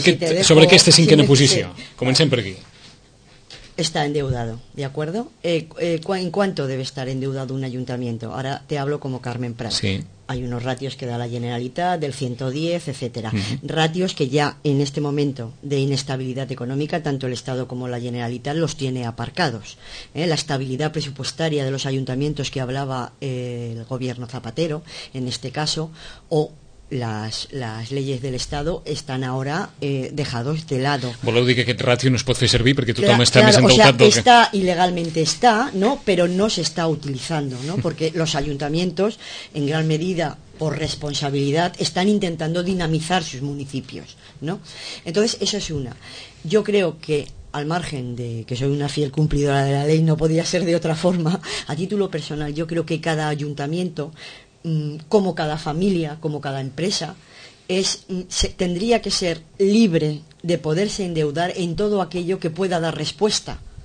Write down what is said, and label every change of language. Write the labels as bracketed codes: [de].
[ca] aquesta cinquena posició, comencem per aquí. [es] Está endeudado, ¿de acuerdo? ¿En cuánto debe estar endeudado un ayuntamiento? Ahora te hablo como Carmen Prat. Sí. Hay unos ratios que da la Generalitat del 110, etcétera. Uh-huh. Ratios que ya en este momento de inestabilidad económica, tanto el Estado como la Generalitat los tiene aparcados. La estabilidad presupuestaria de los ayuntamientos que hablaba el gobierno Zapatero, en este caso, o las leyes del Estado están ahora dejados de lado. [ca] Voleu dir que aquest ratio no es pot fer servir perquè tothom està més endeutat. [es] Claro, o sea, está, ilegalmente está, ¿no? Pero no se está utilizando, ¿no? Porque los ayuntamientos, en gran medida, por responsabilidad, están intentando dinamizar sus municipios, ¿no? Entonces, eso es una. Yo creo que, al margen de que soy una fiel cumplidora de la ley, no podía ser de otra forma, a título personal, yo creo que cada ayuntamiento, como cada familia, como cada empresa, tendría que ser libre de poderse endeudar en todo aquello que pueda dar respuesta.